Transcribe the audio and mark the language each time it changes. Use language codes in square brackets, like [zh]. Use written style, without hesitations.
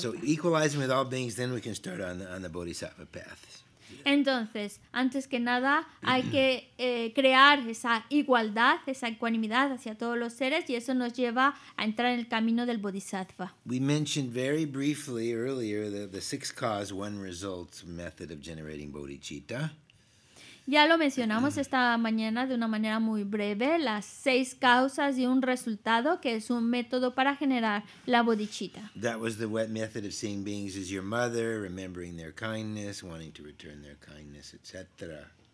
[en] So equalizing with all beings, then we can start on the Bodhisattva path. [es] Entonces, antes que nada, hay que crear esa igualdad, esa ecuanimidad hacia todos los seres, y eso nos lleva a entrar en el camino del Bodhisattva. [en] We mentioned very briefly earlier the six cause, one result method of generating bodhicitta. [es] Ya lo mencionamos esta mañana de una manera muy breve, las seis causas y un resultado, que es un método para generar la bodhicitta. [en] That was the wet method of seeing beings as your mother, remembering their kindness, wanting to return their kindness, etc.